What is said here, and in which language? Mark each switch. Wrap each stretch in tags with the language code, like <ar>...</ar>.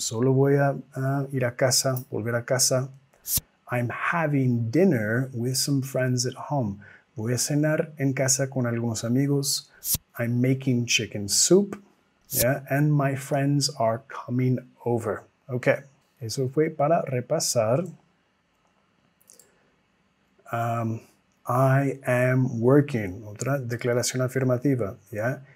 <es>Solo voy a ir a casa, volver a casa.</es> <en>I'm having dinner with some friends at home.</en> <es>Voy a cenar en casa con algunos amigos.</es> <en>I'm making chicken soup. Yeah, and my friends are coming over. Okay.</en> <es>Eso fue para repasar.</es> <en>I am working.</en> <es>Otra declaración afirmativa.</es> <en>Yeah.</en>